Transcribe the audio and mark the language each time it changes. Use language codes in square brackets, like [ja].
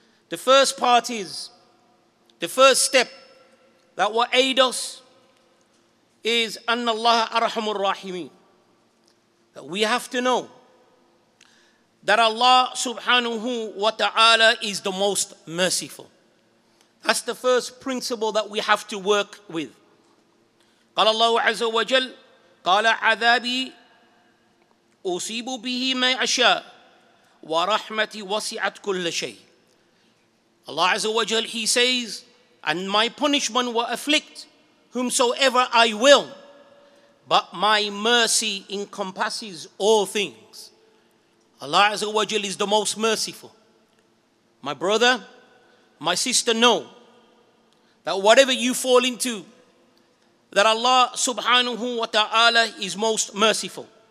[en] The first part is, the first step that will aid us is [ar] أَنَّ اللَّهَ أَرْحَمُ الرَّاحِمِينَ. [en] We have to know that Allah subhanahu wa ta'ala is the most merciful. That's the first principle that we have to work with. [ar] قَالَ اللَّهُ عَزَّ وَجَلَّ قال عذابي أصيب به ما أشاء ورحمتي وسعت كل شيء. [en] Allah Azza wa Jal, He says, and my punishment will afflict whomsoever I will, but my mercy encompasses all things. Allah Azza wa Jal is the most merciful. My brother, my sister, know that whatever you fall into, that Allah subhanahu wa ta'ala is most merciful.